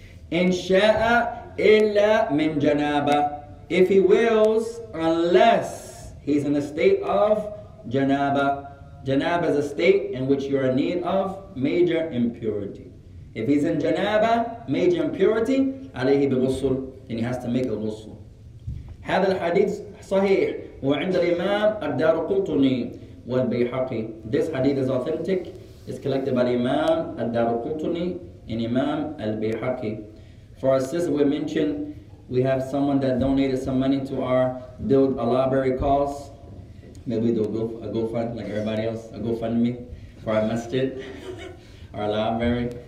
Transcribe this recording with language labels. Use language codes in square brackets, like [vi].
[ar] إِنْ شَاءَ إِلَّا مِنْ جَنَابَ [en] if he wills, unless he's in a state of janaba. Janaba is a state in which you're in need of major impurity. If he's in janaba, major impurity, [ar] عَلَيْهِ بِغُسُلْ [en] then he has to make a ghusl. [ar] هذا الحديث صحيح وعند الإمام الدارقطني والبيحقي. [en] This hadith is authentic. It's collected by Imam الدارقطني and Imam البيحقي. For our sister, we mentioned we have someone that donated some money to our build a library cause. Maybe they'll go a GoFund like everybody else. A GoFundMe for our masjid, our library.